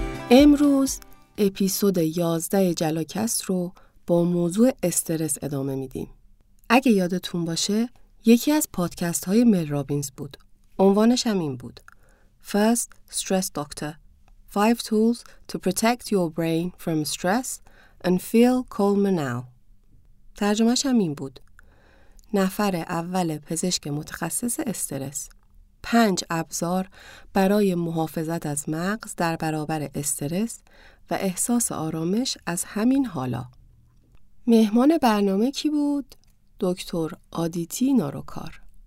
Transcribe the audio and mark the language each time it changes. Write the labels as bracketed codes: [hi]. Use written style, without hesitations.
[fa] امروز اپیزود 11 جلاکست رو با موضوع استرس ادامه میدیم. اگه یادتون باشه، یکی از پادکست های مل رابینز بود. عنوانش هم این بود: [en] First Stress Doctor: 5 Tools to Protect Your Brain from Stress and Feel Calmer Now. [fa] ترجمه‌ش هم این بود: نفر اول پزشک متخصص استرس. 5 ابزار برای محافظت از مغز در برابر استرس و احساس آرامش از همین حالا. مهمان برنامه کی بود؟ دکتر آدیتی ناروکار.